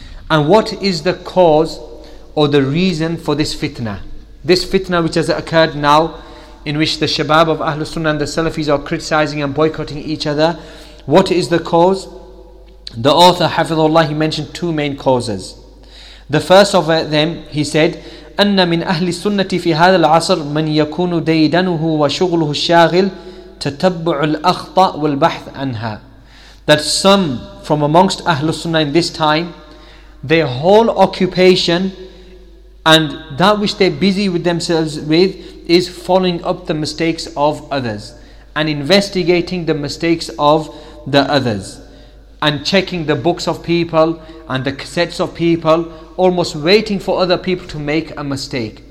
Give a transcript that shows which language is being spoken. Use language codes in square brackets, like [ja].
[en] And what is the cause or the reason for this fitna? This fitna which has occurred now, in which the Shabab of Ahlus Sunnah and the Salafis are criticizing and boycotting each other. What is the cause? The author, Hafidhullah, he mentioned two main causes. The first of them, he said, [ar] أَنَّ مِنْ أَهْلِ السُنَّةِ فِي هَذَا الْعَصْرِ مَنْ يَكُونُ دَيْدَنُهُ وَشُغْلُهُ الشَّاغِلُ تَتَبُّعُ الْأَخْطَأُ وَالْبَحْثُ عَنْهَا. [en] That some from amongst Ahlus Sunnah in this time, their whole occupation and that which they're busy with themselves with is following up the mistakes of others and investigating the mistakes of the others and checking the books of people and the cassettes of people, almost waiting for other people to make a mistake.